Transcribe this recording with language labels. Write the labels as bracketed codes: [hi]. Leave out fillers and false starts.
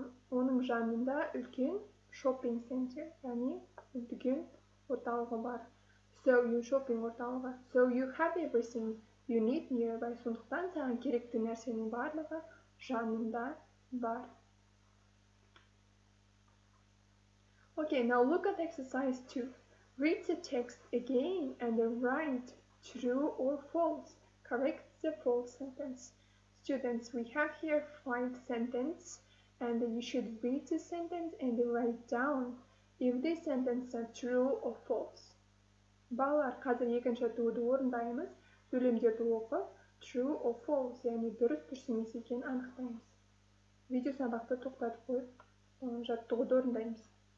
[kk] Оның жанында үлкен shopping center, яғни дүкен орталығы бар. [en] So you shopping орталығы. So you have everything you need nearby. [kk] Сондықтан саған керекті нәрсенің барлығы жанында бар. [en] Okay, now look at exercise 2. Read the text again and write true or false. Correct the false sentence. Students, we have here 5 sentences and you should read the sentence and write down if the sentences are true or false. [kk] Балалар, қазір екінші туды орындаймыз. Сөйлемдерді оқып, [en] true or false, [kk] яғни дұрыс түсінесі екен анықтаймыз. Видео сабақты тоқтатып қойып, жаттығуды орындаймыз.